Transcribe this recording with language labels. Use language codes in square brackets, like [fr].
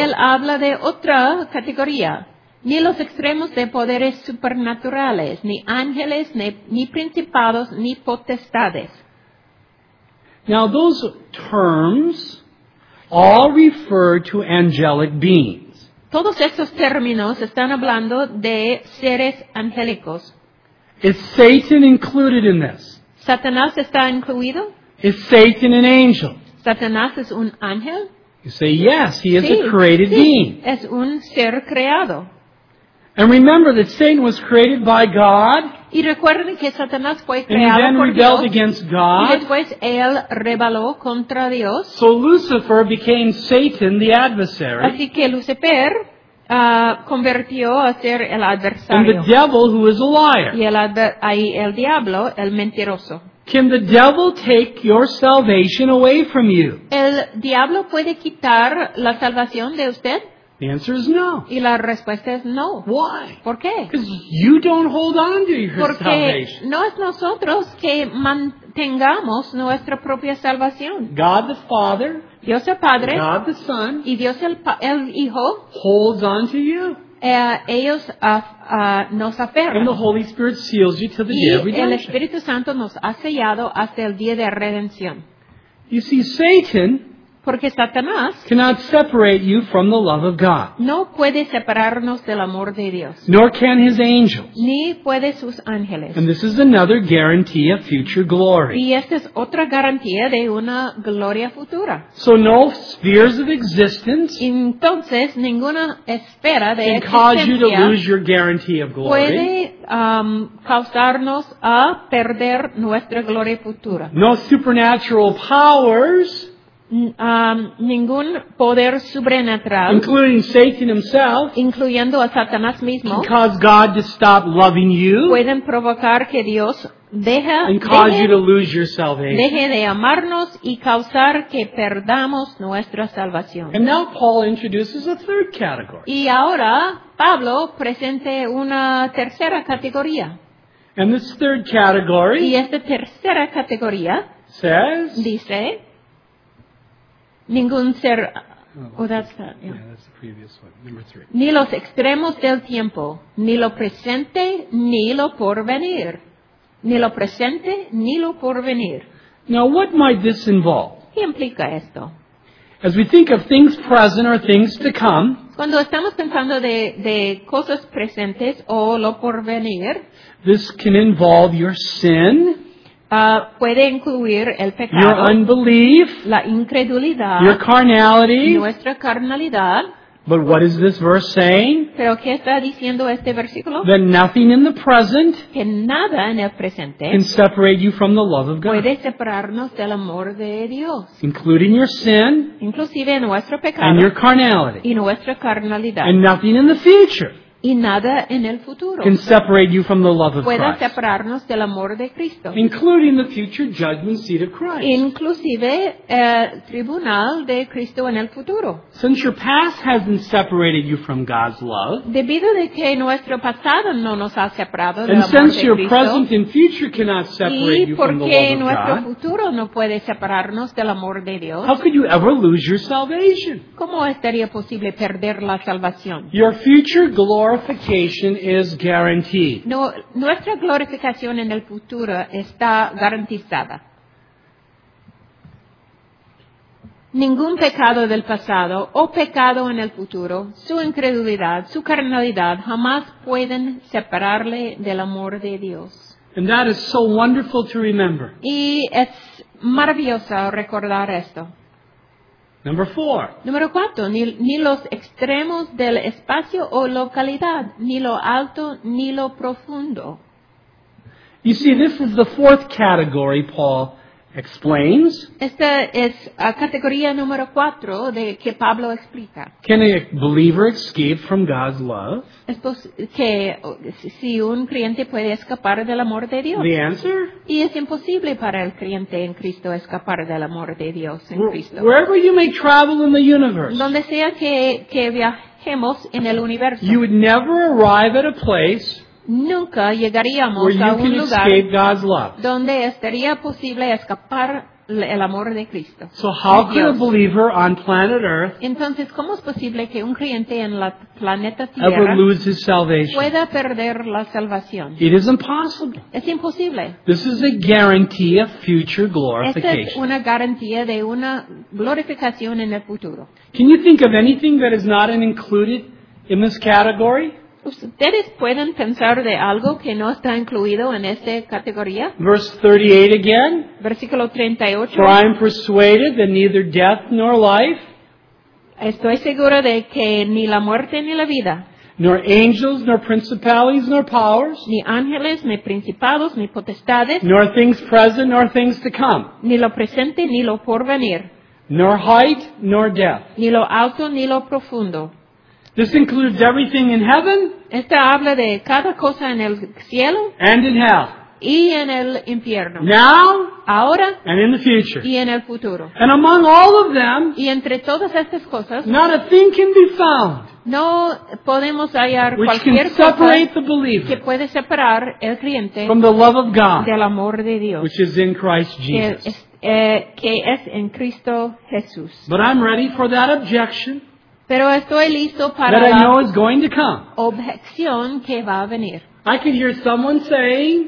[es] Él habla de otra categoría. Ni los extremos de poderes supernaturales, ni ángeles, ni principados, ni potestades. [en] Now those terms all refer to angelic beings. [es] Todos estos términos están hablando de seres angélicos. [en] Is Satan included in this? [es] ¿Satanás está incluido? [en] Is Satan an angel? [es] ¿Satanás es un ángel? [en] You say yes, he is [es] sí, [en] a created [es] sí, [en] being. [es] Es un ser creado. [en] And remember that Satan was created by God. [es] Y recuerden que Satanás fue creado por [en] Dios. And he then rebelled [es] Dios, [en] against God. [es] Y después él rebeló contra Dios. [en] So Lucifer became Satan, the adversary. [es] Así que Lucifer convirtió a ser el adversario. [en] And the devil, who is a liar. [es] Y el diablo, el mentiroso. [en] Can the devil take your salvation away from you? [es] ¿El diablo puede quitar la salvación de usted? [en] The answer is no. [es] Y la respuesta es no. [en] Why? [es] ¿Por qué? [en] Because you don't hold on to your [es] Porque [en] salvation. [es] No es nosotros que mantengamos nuestra propia salvación. [en] God the Father, [es] Dios el Padre, [en] God the Son, [es] y Dios el Hijo, [en] holds on to you. [es] Ellos nos aferran. [en] And the Holy Spirit seals you to the [es] y [en] day of redemption. [es] El Espíritu Santo nos ha sellado hasta el día de redención. [en] You see, Satan [es] porque Satanás [en] cannot separate you from the love of God. [es] No puede separarnos del amor de Dios. [en] Nor can his angels. [es] Ni puede sus ángeles. [en] And this is another guarantee of future glory. [es] Y esta es otra garantía de una gloria futura. [en] So no spheres of existence [es] entonces, ninguna esfera de [en] can cause you to lose your guarantee of glory. [es] Puede causarnos a perder nuestra gloria futura. [en] No supernatural powers [es] ningún poder sobrenatural, [en] including Satan himself, [es] incluyendo a Satanás mismo, [en] can cause God to stop loving you, [es] pueden provocar que Dios deje, [en] and cause you to lose your salvation. [es] Deje de amarnos y causar que perdamos nuestra salvación. [en] And now Paul introduces a third category. [es] Y ahora Pablo presenta una tercera categoría. [en] And this third category, [es] y esta tercera categoría, [en] says, [es] dice. Ningún ser. [en] Oh, that's that. Yeah. Yeah, that's the previous one. Number three. [es] Ni los extremos del tiempo, ni lo presente, ni lo porvenir. Ni lo presente, ni lo porvenir. [en] Now, what might this involve? [es] ¿Qué implica esto? [en] As we think of things present or things to come, [es] cuando estamos pensando de cosas presentes o lo porvenir, [en] this can involve your sin. [es] Puede incluir el pecado, [en] your unbelief, [es] la incredulidad, [en] your carnality, [es] nuestra carnalidad. [en] But what is this verse saying? [es] ¿Pero qué está diciendo este versículo? [en] That nothing in the present, [es] que nada en el presente, [en] can separate you from the love of God. [es] Puede separarnos del amor de Dios. [en] Including your sin, [es] inclusive nuestro pecado, [en] and your carnality, [es] y nuestra carnalidad. [en] And nothing in the future. [es] Y nada en el futuro [en] can separate you from the love of [es] pueda [en] Christ, [es] separarnos del amor de Cristo, [en] including the future judgment seat of Christ, [es] inclusive tribunal de Cristo en el futuro. [en] Since your past hasn't separated you from God's love, [es] debido de que nuestro pasado no nos ha separado del [en] and [es] amor [en] since [es] de [en] your [es] Cristo, [en] present and future cannot separate [es] y porque [en] you from the love [es] nuestro [en] of God, [es] futuro no puede separarnos del amor de Dios, [en] how could you ever lose your salvation? [es] ¿Cómo estaría posible perder la salvación? [en] Your future glory. Glorification is guaranteed. [es] No, nuestra glorificación en el futuro está garantizada. Ningún pecado del pasado o pecado en el futuro, su incredulidad, su carnalidad, jamás pueden separarle del amor de Dios. [en] And that is so wonderful to remember. [es] Y es maravilloso recordar esto. [en] Number four. [es] Número cuatro, ni los extremos del espacio o localidad, ni lo alto, ni lo profundo. [en] You see, this is the fourth category Paul explains. [es] Esta es la categoría número cuatro de que Pablo explica. [en] Can a believer escape from God's love? [es] ¿Es que si un creyente puede escapar del amor de Dios? [en] The answer? [es] Y es imposible para el creyente en Cristo escapar del amor de Dios en Cristo. [en] Wherever you may travel in the universe, [es] donde sea que viajemos en el universo, [en] you would never arrive at a place [es] nunca llegaríamos [en] where you [es] a un [en] can [es] lugar [en] escape God's love. [es] Donde estaría posible escapar el amor de Cristo. [en] So how could a believer on planet Earth [es] entonces, ¿cómo es posible que un creyente en la planeta Tierra [en] ever lose his salvation? [es] Pueda perder la salvación. [en] It is impossible. [es] Es imposible. [en] This is a guarantee of future glorification. [es] Esta es una garantía de una glorificación en el futuro. [en] Can you think of anything that is not included in this category? [es] ¿Ustedes pueden pensar de algo que no está incluido en esta categoría? [en] Verse 38 again. [es] Versículo 38. [en] For I am persuaded that neither death nor life, [es] estoy seguro de que ni la muerte ni la vida, [en] nor angels, nor principalities, nor powers, [es] ni ángeles, ni principados, ni potestades, [en] nor things present, nor things to come, [es] ni lo presente, ni lo porvenir, [en] nor height, nor depth, [es] ni lo alto, ni lo profundo. [en] This includes everything in heaven. [es] Esta habla de cada cosa en el cielo. [en] And in hell. [es] Y en el infierno. [en] Now. [es] Ahora. [en] And in the future. [es] Y en el futuro. [en] And among all of them. [es] Y entre todas estas cosas. [en] Not a thing can be found. [es] No podemos hallar cualquier cosa que puede separar el creyente [en] from the love of God, [es] del amor de Dios, [en] which is in Christ Jesus. [es] Que es en Cristo Jesús. [en] But I'm ready for that objection. [es] Pero estoy listo para [en] that I know is going to come. [es] Objeción que va a venir. [en] I can hear someone saying,